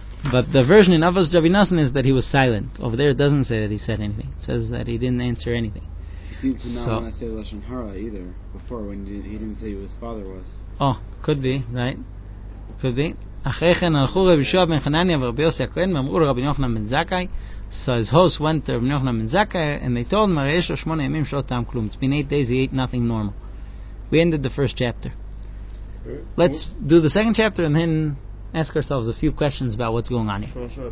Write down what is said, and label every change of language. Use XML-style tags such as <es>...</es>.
<en>But the version in Avos Dravinasan is that he was silent. Over there it doesn't say that he said anything. It says that he didn't answer anything. He seems to not want to say Lashon Hara either, before, when he didn't say who his father was. Oh, could be, right? Could be.</en> <he>אחרי כן הלכו רבי יהושע בן חנניה ורבי יוסי הכהן ואמרו לרבי יוחנן בן זכאי.</he> <en>So his host went to רבי יוחנן בן זכאי and they told him,</en> <he>הרי יש לו 8 ימים שלא טעם כלום.</he> <en>It's been 8 days, he ate nothing normal. We ended the first chapter. Let's do the second chapter and then ask ourselves a few questions about what's going on here.</en>